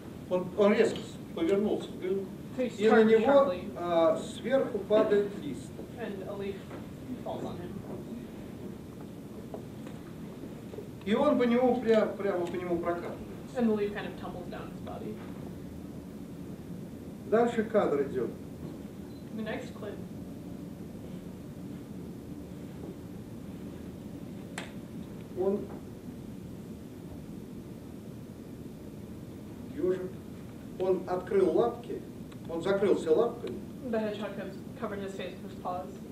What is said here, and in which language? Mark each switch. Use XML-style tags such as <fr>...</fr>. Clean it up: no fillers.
<ru>Он резко повернулся, и на него сверху падает лист.</ru> <en>And a leaf falls on him.</en> <ru>И он по нему прямо по нему прокатывается.</ru> <en>And the leaf kind of tumbles down his body.</en> <ru>Дальше кадр идет.</ru> <en>The next clip.</en> <ru>он ежик, он открыл лапки, он закрыл все лапки.</ru> <en>The hedgehog has covered his face with his paws.</en>